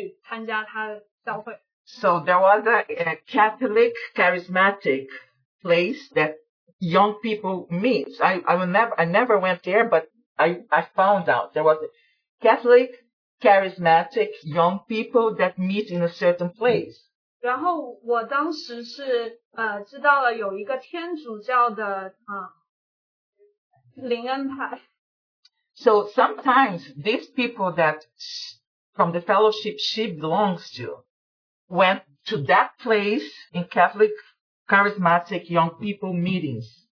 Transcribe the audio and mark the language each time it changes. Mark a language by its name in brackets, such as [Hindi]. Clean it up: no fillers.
[Chinese] 所以尽管她邀请我去她的教会，我很怕，我也不敢去参加她的教会。So [English] there was a Catholic charismatic place that young people meet. I never went there, but I found out there was a Catholic charismatic young people that meet in a certain place. [Chinese] 然后我当时是知道了有一个天主教的灵恩派。So [English] sometimes these people that from the fellowship she belongs to went to that place in Catholic charismatic young people meetings.